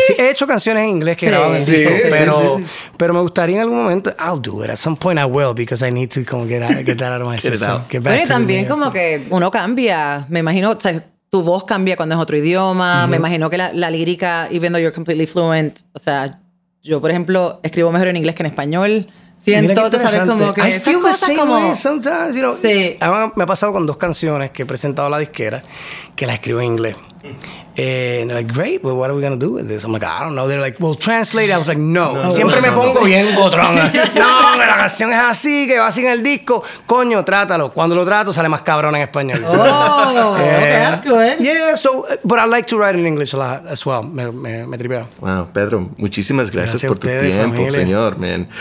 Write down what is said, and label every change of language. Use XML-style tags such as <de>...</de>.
<es>Sí, he hecho canciones en inglés que grabado en disco, pero me gustaría en algún momento.</es> <en>I'll do it. At some point I will, because I need to</en> <es>como</es> <en>get that out of my system.</en> <es>Pero también como que uno cambia. Me imagino, o sea, tu voz cambia cuando es otro idioma. Mm-hmm. Me imagino que la lírica,</es> <en>even though you're completely fluent,</en> <es>o sea, yo, por ejemplo, escribo mejor en inglés que en español. Siento, tú sabes, como que...</es> <en>I feel the same</en> <es>como...</es> <en>way sometimes, you know. Sí.</en> <es>Me ha pasado con dos canciones que he presentado a la disquera que las escribo en inglés.</es> <en>And they're like, great, but what are we going to do with this? I'm like, I don't know. They're like, well, translate it. I was like, no.</en> <es>Siempre me pongo bien gotrón. No, que la canción es así, que va así en el disco. Coño, trátalo. Cuando lo trato, sale más cabrón en español.</es> <en>Oh, okay, that's good. Yeah, so, but I like to write in English a lot as well.</en> <es>Me tripeo. Wow, Pedro, muchísimas gracias por ustedes, tu tiempo, familia. Señor, man.</es>